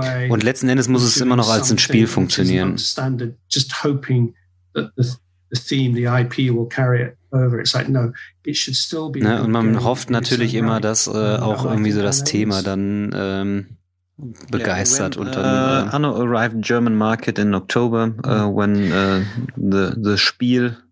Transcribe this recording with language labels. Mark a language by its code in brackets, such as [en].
[de] Und letzten Endes muss es immer noch als ein Spiel funktionieren. [en] Just hoping that the theme, the IP will carry it over. It's like, no, it should still be. [de] Und man hofft natürlich immer, dass auch irgendwie so das Thema dann begeistert und dann [en] Anno arrived German market in October when the Spiel